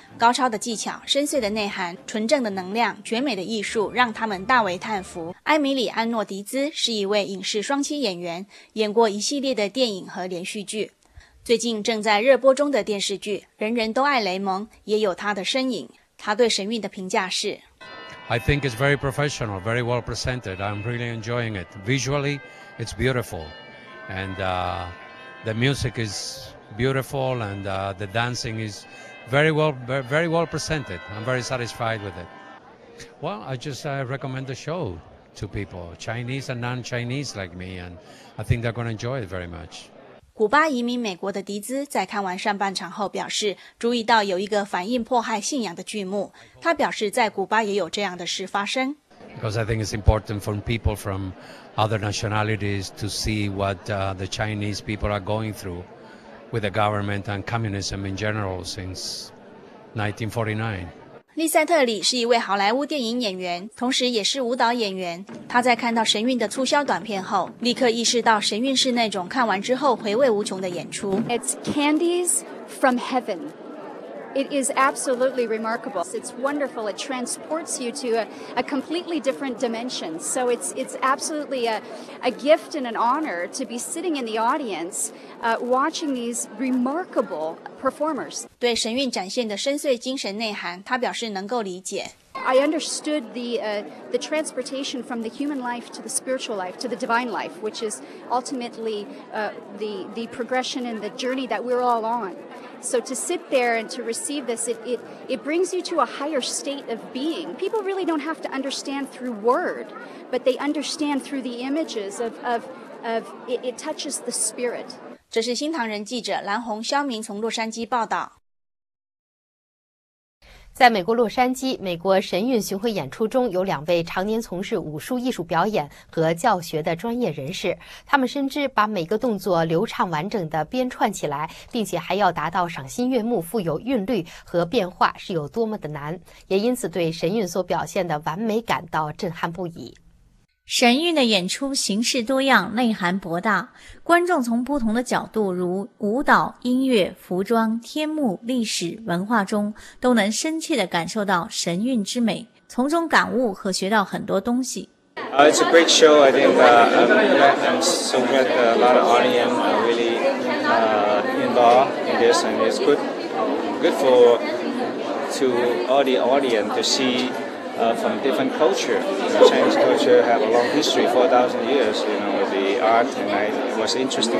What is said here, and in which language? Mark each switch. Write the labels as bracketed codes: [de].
[zh] 高超的技巧、深邃的内涵、纯正的能量、绝美的艺术，让他们大为叹服。埃米里·安诺迪兹是一位影视双栖演员，演过一系列的电影和连续剧。最近正在热播中的电视剧《人人都爱雷蒙》也有他的身影。他对神韵的评价是 [en] ：I think it's very professional, very well presented. I'm really enjoying it. Visually, it's beautiful, and the music is beautiful, and the dancing is. Very well, very well presented. I'm very satisfied with it. Well, I just recommend the show to people, Chinese and non-Chinese like me, and I think they're going to enjoy it very much. [zh] 古巴移民美国的迪兹在看完上半场后表示，注意到有一个反映迫害信仰的剧目。他表示，在古巴也有这样的事发生。 [en] Because I think it's important for people from other nationalities to see what the Chinese people are going through. With the government and communism in general since 1949. [zh] 利塞特里是一位好莱坞电影演员，同时也是舞蹈演员。他在看到神韵的促销短片后，立刻意识到神韵是那种看完之后回味无穷的演出。 [en] It's candies from heaven. It is absolutely remarkable. It's wonderful. It transports you to a completely different dimension. So it's absolutely a gift and an honor to be sitting in the audience. Watching these remarkable performers. [zh] 对神韵展现的深邃精神内涵，他表示能够理解。 [en] I understood the transportation from the human life to the spiritual life to the divine life, which is ultimately the progression and the journey that we're all on. So to sit there and to receive this, it brings you to a higher state of being. People really don't have to understand through word, but they understand through the images of it touches the spirit. [zh] 这是新唐人记者蓝红、肖明从洛杉矶报道。在美国洛杉矶，美国神韵巡回演出中有两位常年从事武术艺术表演和教学的专业人士，他们深知把每个动作流畅完整的编串起来，并且还要达到赏心悦目、富有韵律和变化是有多么的难，也因此对神韵所表现的完美感到震撼不已。神韵的演出形式多样，内涵博大，观众从不同的角度，如舞蹈、音乐、服装、天幕、历史、文化中，都能深切地感受到神韵之美，从中感悟和学到很多东西。 [en] It's a great show. I think I'm so glad a lot of audience are really involved in this, and it's good for to all the audience to see. From different culture. Chinese culture have a long history, 4,000 years, you know, with the art, and it was interesting.